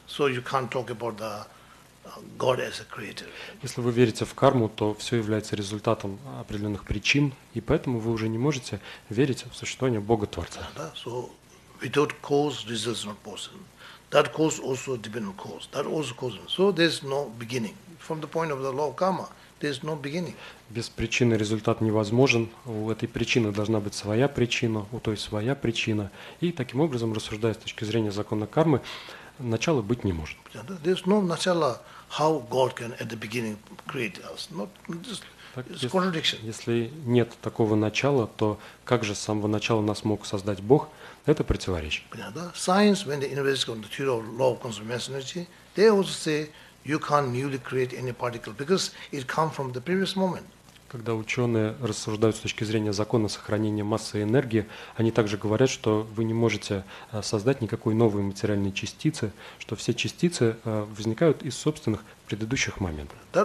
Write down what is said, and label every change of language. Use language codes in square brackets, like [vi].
[en] So you can't talk about the God as a creator. [ru] Если вы верите в карму, то все является результатом определенных причин, и поэтому вы уже не можете верить в существование Бога-творца. [en] Да, so without cause, results not possible. That cause also depend on cause. That also cause. So there's no beginning. From the point of the law of karma, there's no beginning. [ru] Без причины результат невозможен. У этой причины должна быть своя причина, у той своя причина. И таким образом, рассуждая с точки зрения закона кармы, начало быть не может. [en] There's no начало, how God can at the beginning create us. Not just, it's contradiction. [ru] Если нет такого начала, то как же с самого начала нас мог создать Бог? Это противоречие. [en] Science, when they investigate the theory of law of conservation of energy, they also say you can't newly create any particle because it comes from the previous moment. [ru] Когда ученые рассуждают с точки зрения закона сохранения массы и энергии, они также говорят, что вы не можете создать никакой новой материальной частицы, что все частицы возникают из собственных предыдущих моментов.